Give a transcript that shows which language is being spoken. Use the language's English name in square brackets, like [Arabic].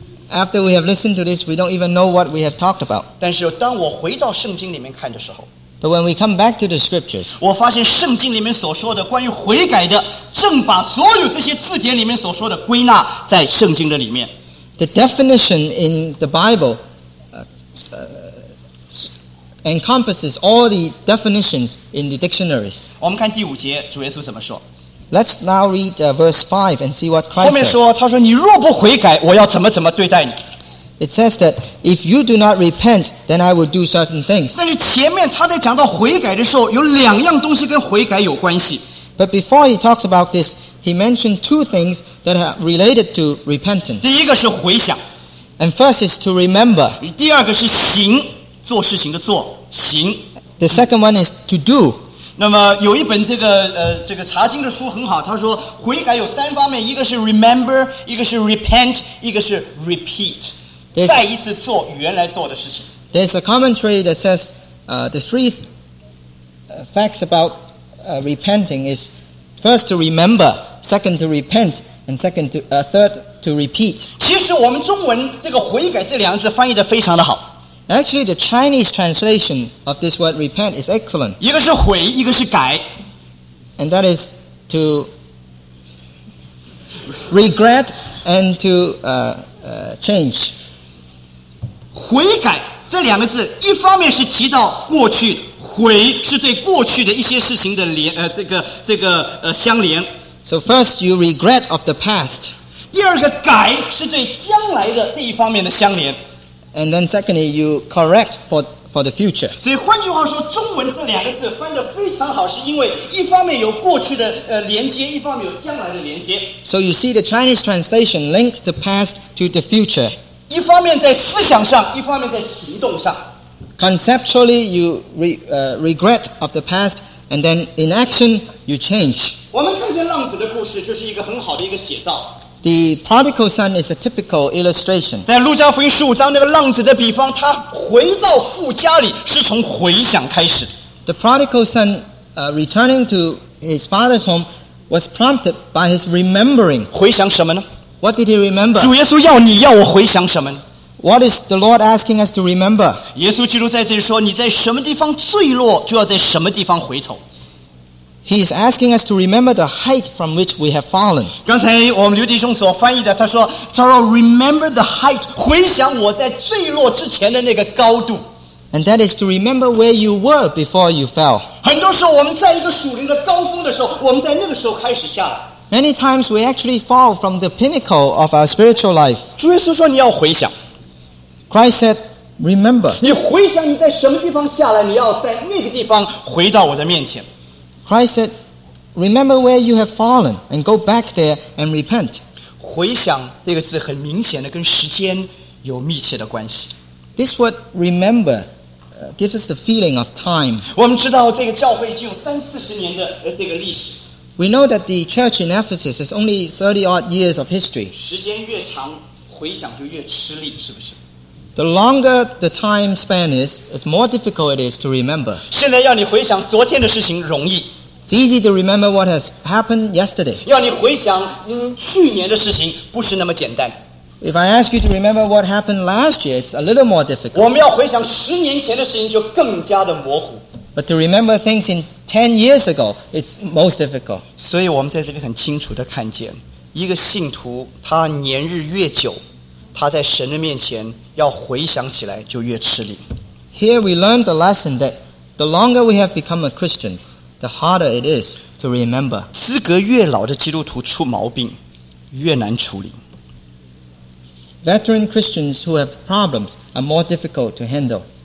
[English] After we have listened to this, we don't even know what we have talked about. [Chinese] 但是当我回到圣经里面看的时候 [English] But when we come back to the scriptures, [Chinese] 我发现圣经里面所说的关于悔改的正把所有这些字典里面所说的归纳在圣经的里面 [English] The definition in the Bible encompasses all the definitions in the dictionaries. [Chinese] 我们看第五节主耶稣怎么说 [English] Let's now read verse 5 and see what Christ [Chinese] 后面说, [English] says. [Chinese] 他说, 你若不悔改, 我要怎么怎么对待你? [English] It says that if you do not repent, then I will do certain things. [Chinese] 但是前面他在讲到悔改的时候, 有两样东西跟悔改有关系。 [English] But before he talks about this, he mentioned two things that are related to repentance. [Chinese] 第一个是回想。 [English] And first is to remember. [Chinese] 第二个是行,做事情的做,行。 [English] The second one is to do. [Chinese] 那么有一本这个这个查经的书很好，他说悔改有三方面，一个是 remember， 一个是 repent， 一个是 repeat， 再一次做原来做的事情。 [English] There's a commentary that says, the three facts about repenting is first to remember, second to repent, and second to third to repeat。 [Chinese] 其实我们中文这个悔改这两字翻译的非常的好。 [English] Actually, the Chinese translation of this word repent is excellent. [Chinese] 一个是悔，一个是改。 [English] And that is to regret and to change. [Chinese] 悔改这两个字，一方面是提到过去，悔是对过去的一些事情的连相连。 [English] So first, you regret of the past. [Chinese] 第二个改是对将来的这一方面的相连。 [English] And then secondly, you correct for the future. [Chinese] 所以换句话说，中文这两个字翻得非常好，是因为一方面有过去的连接，一方面有将来的连接。 [English] So you see, the Chinese translation links the past to the future. [Chinese] 一方面在思想上，一方面在行动上。 [English] Conceptually, you regret of the past, and then in action, you change. [Chinese] 我们看见浪子的故事，就是一个很好的一个写照。 [English] The prodigal son is a typical illustration. [Chinese] 在路加福音十五章那个浪子的比方，他回到父家里是从回想开始。 [English] The prodigal son, returning to his father's home, was prompted by his remembering. [Chinese] 回想什么呢 [English] ？What did he remember? [Chinese] 主耶稣要你要我回想什么呢 [English] ？What is the Lord asking us to remember? [Chinese] 耶稣基督在这里说，你在什么地方坠落，就要在什么地方回头。 [English] He is asking us to remember the height from which we have fallen. [Chinese] 刚才我们刘弟兄所翻译的，他说 ， [English] remember the height， [Chinese] 回想我在坠落之前的那个高度。 [English] And that is to remember where you were before you fell. [Chinese] 很多时候，我们在一个属灵的高峰的时候，我们在那个时候开始下来。 [English] Many times we actually fall from the pinnacle of our spiritual life. [Chinese] 主耶稣说你要回想。 [English] Christ said, "Remember." [Chinese] 你回想你在什么地方下来，你要在那个地方回到我的面前。 [English] Christ said, remember where you have fallen and go back there and repent. [Chinese] 回想这个字很明显的跟时间有密切的关系。 [English] This word remember gives us the feeling of time. [Chinese] 我们知道这个教会已经有三四十年的这个历史。 [English] We know that the church in Ephesus has only 30 odd years of history. [Chinese] 时间越长回想就越吃力是不是 [English] The longer the time span is, the more difficult it is to remember. [Chinese] 现在要你回想昨天的事情容易。 [English] It's easy to remember what has happened yesterday. [Chinese] 要你回想去年的事情不是那么简单。 [English] If I ask you to remember what happened last year, it's a little more difficult. [Chinese] 我们要回想十年前的事情就更加的模糊。 [English] But to remember things in 10 years ago, it's most difficult. [Chinese] 所以我们在这里很清楚地看见，一个信徒他年日越久。他在神的面前要回想起来就越吃力。 [English] Here we learn the lesson that the longer we have become a Christian, the harder it is to remember. [Chinese] 资格越老的基督徒出毛病越难处理。 [English] Veteran Christians who have problems are more difficult to handle.